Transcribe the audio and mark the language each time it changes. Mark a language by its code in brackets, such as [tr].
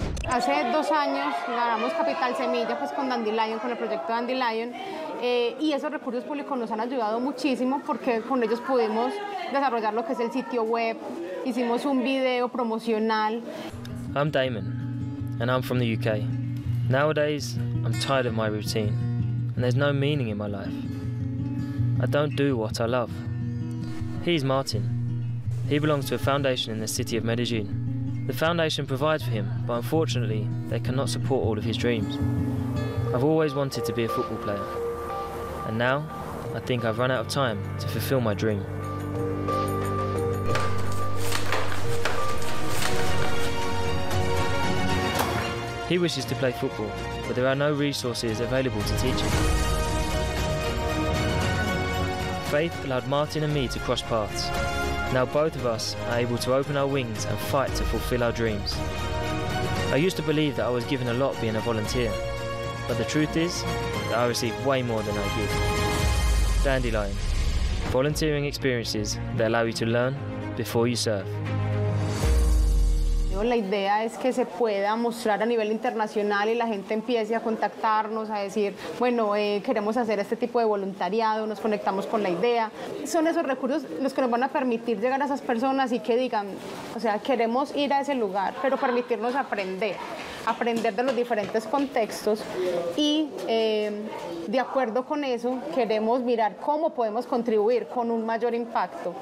[es] Hace 2 años ganamos Capital Semilla pues con Dandelion, con el proyecto Dandelion, y esos recursos públicos nos han ayudado muchísimo porque con ellos pudimos desarrollar lo que es el sitio web, hicimos un video promocional. [en] I'm Damon and I'm from the UK. Nowadays I'm tired of my routine and there's no meaning in my life. I don't do what I love. He's Martin. He belongs to a foundation in the city of Medellin. The foundation provides for him, but unfortunately, they cannot support all of his dreams. I've always wanted to be a football player, and now I think I've run out of time to fulfill my dream. He wishes to play football, but there are no resources available to teach him. Faith allowed Martin and me to cross paths. Now both of us are able to open our wings and fight to fulfill our dreams. I used to believe that I was given a lot being a volunteer, but the truth is that I receive way more than I give. Dandelion, volunteering experiences that allow you to learn before you serve. [es] La idea es que se pueda mostrar a nivel internacional y la gente empiece a contactarnos, a decir, bueno, queremos hacer este tipo de voluntariado, nos conectamos con la idea. Son esos recursos los que nos van a permitir llegar a esas personas y que digan, o sea, queremos ir a ese lugar, pero permitirnos aprender de los diferentes contextos y de acuerdo con eso, queremos mirar cómo podemos contribuir con un mayor impacto.